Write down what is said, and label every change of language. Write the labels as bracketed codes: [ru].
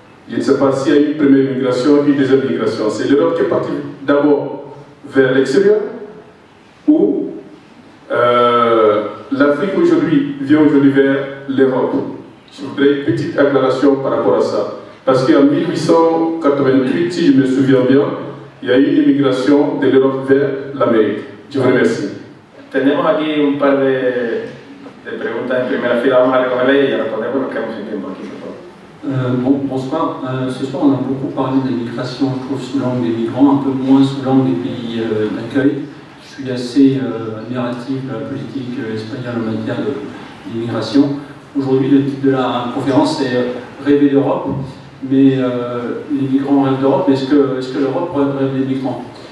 [fr] Je ne sais pas s'il y a une première immigration ou une deuxième immigration. C'est l'Europe qui est partie d'abord vers l'extérieur ou l'Afrique aujourd'hui vient aujourd'hui vers l'Europe. Je voudrais une petite aclaration par rapport à ça. Parce qu'en 1888, si je me souviens bien, il y a eu une immigration de l'Europe vers l'Amérique. Je vous remercie. [es] Tenemos aquí un par de preguntas en primera fila, vamos a recogerlas y ya respondemos, nos quedamos sin tiempo aquí, por favor. [fr] Bonsoir. Ce soir, on a beaucoup parlé de migration, je trouve, sous l'angle des migrants, un peu moins sous l'angle des pays d'accueil. Je suis assez admiratif de la politique espagnole en matière d'immigration. Aujourd'hui, le titre de la conférence est Rêver d'Europe, mais les migrants rêvent d'Europe, est-ce que l'Europe rêve des migrants?